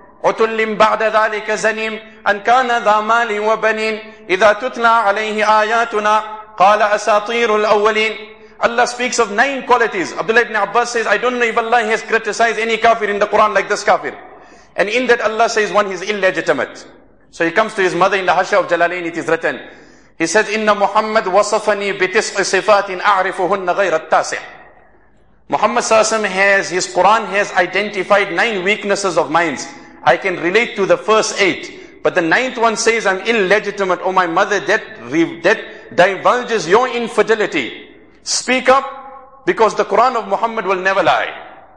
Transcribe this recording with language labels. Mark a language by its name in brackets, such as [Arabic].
[Arabic] عُتُلِّمْ بَعْدَ ذَلِكَ زَنِيمْ أَنْ كَانَ ذَا مَالٍ وَبَنِينَ إِذَا تُتْلَى عَلَيْهِ آيَاتُنَا قَالَ أَسَاطِيرُ الْأَوَّلِينَ. [English] Allah speaks of 9 qualities. Abdullah ibn Abbas says, I don't know if Allah has criticized any kafir in the Quran like this kafir. And in that Allah says, one, he's illegitimate. So he comes to his mother in the Hasha of Jalalain, it is written. He says, [Arabic] إِنَّ مُحَمَّدْ وَصَفَنِي بِتِسْعِ صِفَاتٍ أَعْرِفُهُنَّ غَيْرَ التَّاسِعِ. [English] Muhammad Sallallahu Alaihi Wasallam has, his Quran has identified 9 weaknesses of minds. I can relate to the first 8. But the 9th one says, I'm illegitimate. Oh my mother, that divulges your infidelity. Speak up, because the Quran of Muhammad will never lie.